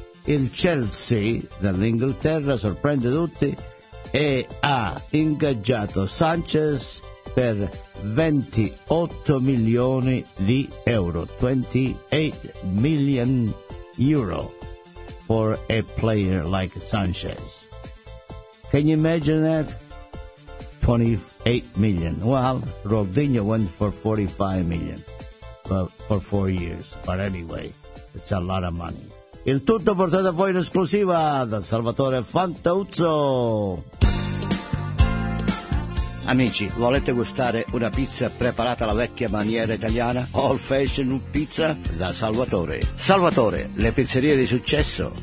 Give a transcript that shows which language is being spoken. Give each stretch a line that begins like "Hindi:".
Italian: Il Chelsea dell'Inghilterra sorprende tutti e ha ingaggiato Sanchez per 28 milioni di euro,
English: 28 million euro for a player like Sanchez. Can you imagine that? 28 million. Well, Ronaldinho went for 45 million for 4 years, but anyway, it's a lot of money.
Italian: Il tutto portato a voi in esclusiva da Salvatore Fantauzzo. Amici, volete gustare una pizza preparata alla vecchia maniera italiana? Old Fashioned Pizza da Salvatore. Salvatore, le pizzerie di successo.